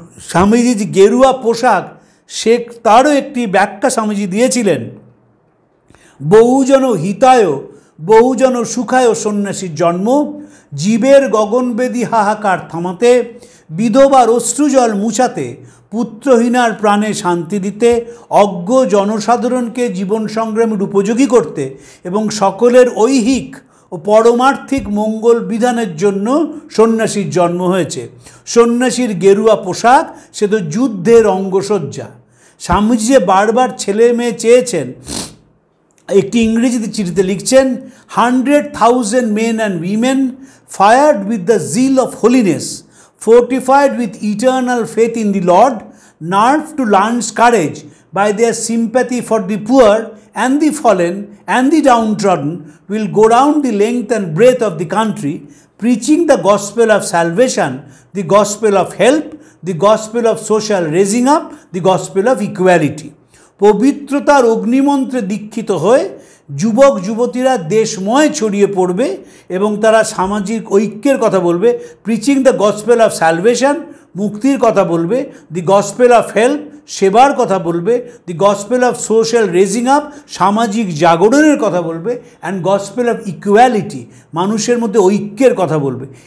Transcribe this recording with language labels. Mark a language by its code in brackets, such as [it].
[bn] স্বামীজির গেরুয়া পোশাক সে তারও একটি ব্যাখ্যা স্বামীজি দিয়েছিলেন, বহুজন হিতায় বহুজন সুখায় সন্ন্যাসীর জন্ম, জীবের গগনবেদী হাহাকার থামাতে, বিধবার অশ্রুজল মুছাতে, পুত্রহীনার প্রাণে শান্তি দিতে, অজ্ঞ জনসাধারণকে জীবন সংগ্রামের উপযোগী করতে, এবং সকলের ঐহিক ও পরমার্থিক মঙ্গল বিধানের জন্য সন্ন্যাসীর জন্ম হয়েছে। সন্ন্যাসীর গেরুয়া পোশাক সে তো যুদ্ধের অঙ্গসজ্জা। স্বামীজি যে বারবার ছেলে মেয়ে চেয়েছেন, একটি ইংরেজিতে চিঠিতে লিখছেন, [en] 100,000 men and women fired with the zeal of holiness fortified with eternal faith in the Lord, nerved to lion's courage by their sympathy for the poor and the fallen and the downtrodden, will go down the length and breadth of the country, preaching the gospel of salvation, the gospel of help, the gospel of social raising up, the gospel of equality. [bn] পবিত্রতার অগ্নিমন্ত্রে দীক্ষিত হয়ে যুবক যুবতীরা দেশময় ছড়িয়ে পড়বে এবং তারা সামাজিক ঐক্যের কথা বলবে, [en] preaching the gospel of salvation [bn] মুক্তির কথা বলবে, [en] the gospel of help [bn] সেবার কথা বলবে, [en] the gospel of social raising up [bn] সামাজিক জাগরণের কথা বলবে, [en] and gospel of equality [bn] মানুষের মধ্যে ঐক্যের কথা বলবে।